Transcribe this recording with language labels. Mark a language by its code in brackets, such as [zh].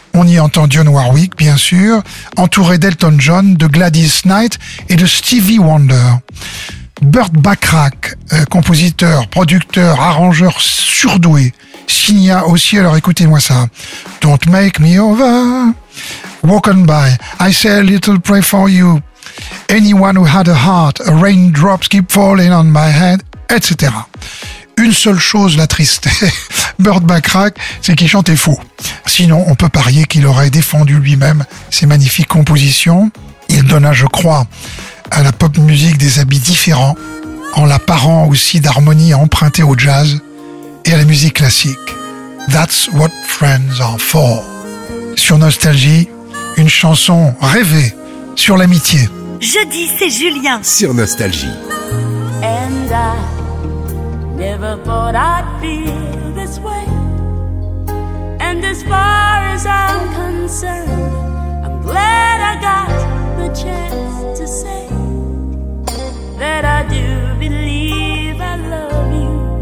[fr] On y entend Dionne Warwick, bien sûr, entouré d'Elton John, de Gladys Knight et de Stevie Wonder. Burt Bacharach, compositeur, producteur, arrangeur surdoué, signa aussi, alors écoutez-moi ça, « Don't make me over ». [en] Walking by, I say a little pray for you. Anyone who had a heart, a raindrops keep falling on my head, etc. [fr] Une seule chose l'attristait, Burt Bacharach, c'est qu'il chantait faux. Sinon, on peut parier qu'il aurait défendu lui-même ses magnifiques compositions. Il donna, je crois, à la pop musique des habits différents, en la parant aussi d'harmonies empruntées au jazz et à la musique classique. [en] That's what friends are for. [fr] Sur Nostalgie, une chanson rêvée sur l'amitié. Jeudi, c'est Julien. Sur Nostalgie. [en] And I never thought I'd feel this way. And as far as I'm concerned, I'm glad I got the chance to say that I do believe I love you.